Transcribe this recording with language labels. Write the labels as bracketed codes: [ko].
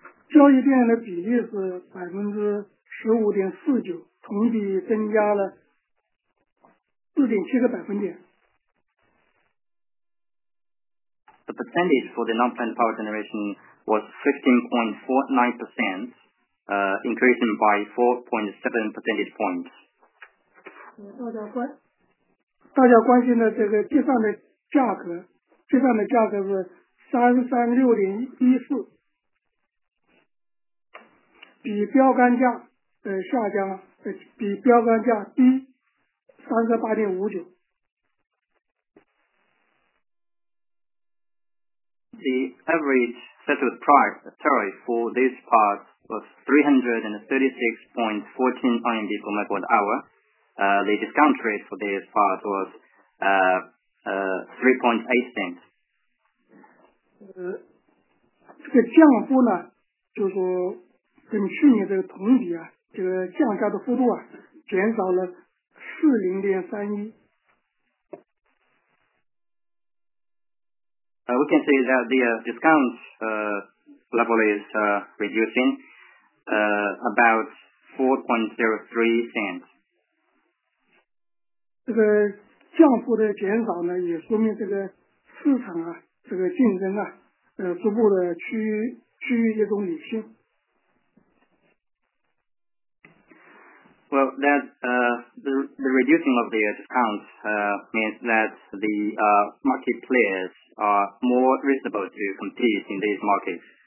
[zh] 交易电的比例是 15.49%， 同比增加了 4.7 个百分点。 [en] The percentage for the non-planned power generation was 15.49%, increasing by 4.7 percentage points. [zh] 大家关心的这个计算的价格，计算的价格是336.14，比标杆价下降，比标杆价低38.59。 [en] The average settled price tariff for this part was 336.14 RMB per megawatt hour. The discount rate for this part was 3.8 cents. [zh] 这个降幅呢，就是说跟去年这个同比啊，这个降价的幅度啊，减少了40.31%。 [en] We can say that the discount level is reducing about 4.03 cents. [zh] 这个降幅的减少呢，也说明这个市场啊，这个竞争啊，逐步的趋于一种理性。 [en] Well, that the reducing of the discounts means that the market players are more reasonable to compete in these markets.